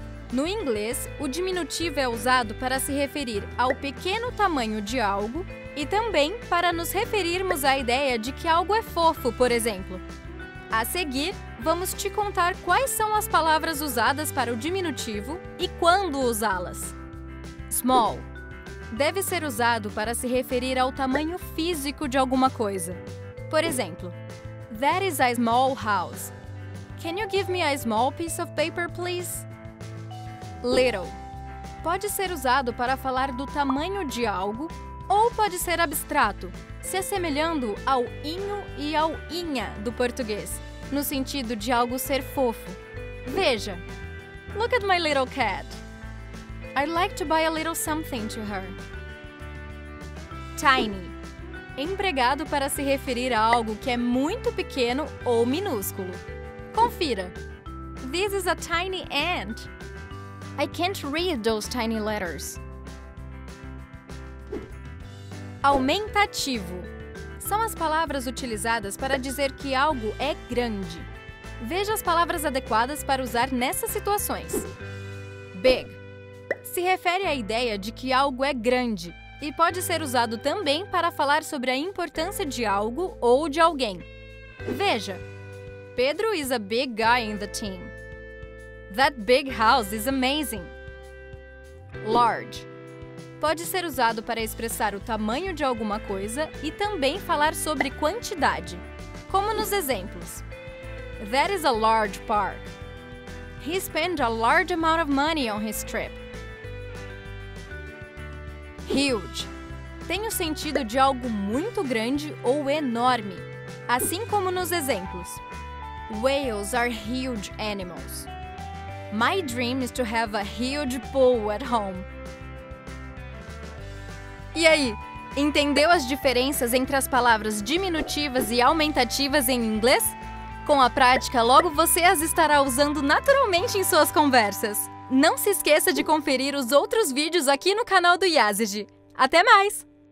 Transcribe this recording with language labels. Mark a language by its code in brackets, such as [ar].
[pt] No inglês, o diminutivo é usado para se referir ao pequeno tamanho de algo e também para nos referirmos à ideia de que algo é fofo, por exemplo. A seguir, vamos te contar quais são as palavras usadas para o diminutivo e quando usá-las. Small. Deve ser usado para se referir ao tamanho físico de alguma coisa. Por exemplo, [en] that is a small house. Can you give me a small piece of paper, please? Little. [pt] Pode ser usado para falar do tamanho de algo ou pode ser abstrato, se assemelhando ao inho e ao inha do português, no sentido de algo ser fofo. Veja. [en] Look at my little cat. I'd like to buy a little something to her. Tiny. [pt] Empregado para se referir a algo que é muito pequeno ou minúsculo. Confira. This is a tiny ant. I can't read those tiny letters. Aumentativo. São as palavras utilizadas para dizer que algo é grande. Veja as palavras adequadas para usar nessas situações. Big. Se refere à ideia de que algo é grande e pode ser usado também para falar sobre a importância de algo ou de alguém. Veja. [en] Pedro is a big guy in the team. That big house is amazing. Large. [pt] Pode ser usado para expressar o tamanho de alguma coisa e também falar sobre quantidade. Como nos exemplos. [en] That is a large park. He spent a large amount of money on his trip. Huge. [pt] Tem o sentido de algo muito grande ou enorme. Assim como nos exemplos. [en] Whales are huge animals. My dream is to have a huge pool at home. [pt] E aí, entendeu as diferenças entre as palavras diminutivas e aumentativas em inglês? Com a prática, logo você as estará usando naturalmente em suas conversas. Não se esqueça de conferir os outros vídeos aqui no canal do Yazigi. Até mais!